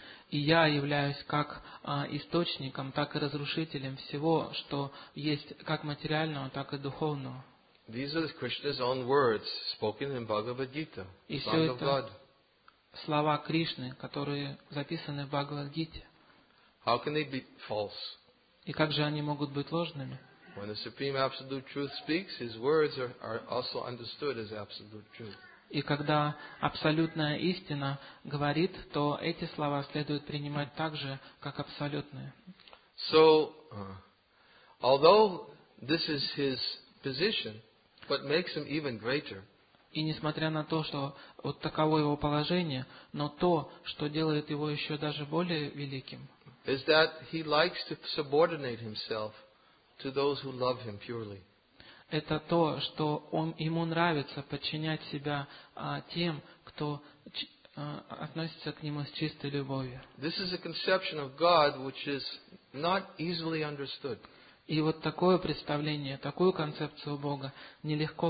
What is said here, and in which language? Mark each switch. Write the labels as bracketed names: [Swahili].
[Russian] И я являюсь как источником, так и разрушителем всего, что есть как материального, так и духовного. [English] These are Krishna's own words, spoken in Bhagavad Gita, Song of God. [Russian] Слова Кришны, которые записаны в Бхагавад-гите. [English] How can they be false? [Russian] И как же они могут быть ложными? [English] When the Supreme Absolute Truth speaks, His words are also understood as Absolute Truth. [Russian] И когда абсолютная истина говорит, то эти слова следует принимать также как абсолютные. [English] So, although this is His position. What makes him even greater? [Russian] И несмотря на то, что вот таково его положение, но то, что делает его еще даже более великим, [English] is that he likes to subordinate himself to those who love him purely. [Russian] Это то, что он ему нравится подчинять себя тем, кто относится к нему с чистой любовью. [English] This is a conception of God which is not easily understood. [Russian] И вот такое представление, такую концепцию Бога нелегко